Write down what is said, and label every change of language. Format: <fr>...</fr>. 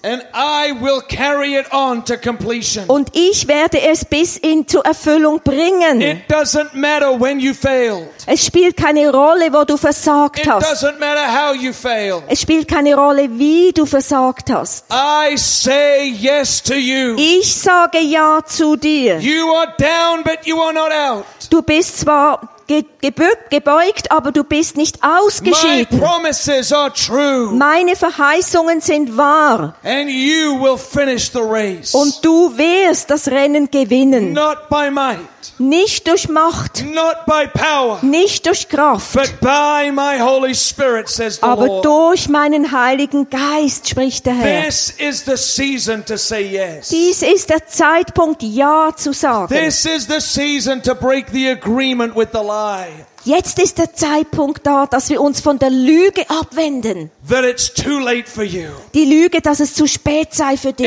<en>And I will carry it on to completion.</en> <de>Und ich werde es bis in zur Erfüllung bringen.</de> <en>It doesn't matter when you failed.</en> <de>Es spielt keine Rolle, wo du versagt hast.</de> <en>It doesn't matter how you failed.</en> <de>Es spielt keine Rolle, wie du versagt hast.</de> <en>I say yes to you.</en> <de>Ich sage ja zu dir.</de> <en>You are down, but you are not out.</en> <de>Du bist zwar gebeugt, aber du bist nicht ausgeschieden.</de> <en>My promises are true.</en> <de>Meine Verheißungen sind wahr.</de> <en>And you will finish the race.</en> <de>Und du wirst das Rennen gewinnen.</de> <en>Not by might.</en> <de>Nicht durch Macht.</de> <en>Not by power.</en> <de>Nicht durch Kraft.</de> <en>But by my Holy Spirit, says the</en> <de>aber</de> <en>Lord.</en> <de>Durch meinen Heiligen Geist, spricht der Herr.</de> <en>This is the season to say yes.</en> <de>Dies ist der Zeitpunkt, ja zu sagen.</de> <en>This is the season to break the agreement with the lie.</en> <de>Jetzt ist der Zeitpunkt da, dass wir uns von der Lüge abwenden.</de> <en>That it's too late for you.</en> <de>Die Lüge, dass es zu spät sei für dich.</de>